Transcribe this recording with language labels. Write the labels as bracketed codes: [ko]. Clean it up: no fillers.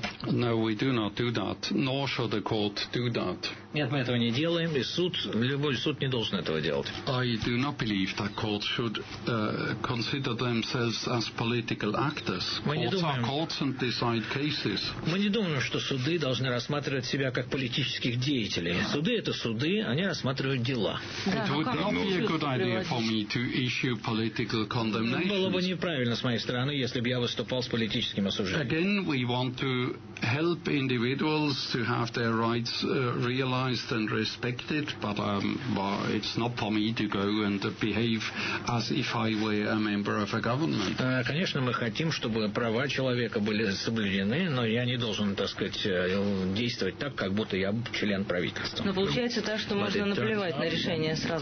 [en] No, we do not do that, nor should the court do that. [ru] Нет, мы этого не делаем, и суд, любой суд не должен этого делать. [en] I do not believe that courts should consider themselves as political actors. Courts are courts and decide cases. [ru] Мы не думаем, что суды должны рассматривать себя как политических деятелей. Суды – это суды, они рассматривают дела. [en] It would not be a good idea for me to issue political condemnations. [ru] Было бы неправильно с моей стороны, если бы я выступал с политическим осуждением. [en] Again, we want to help individuals to have their rights realized and respected, but it's not for me to go and behave as if I were a member of a government. [ru] Конечно, мы хотим, чтобы права человека были соблюдены, но я не должен, так сказать, действовать так, как будто я член правительства. Но получается так, что можно наплевать на решение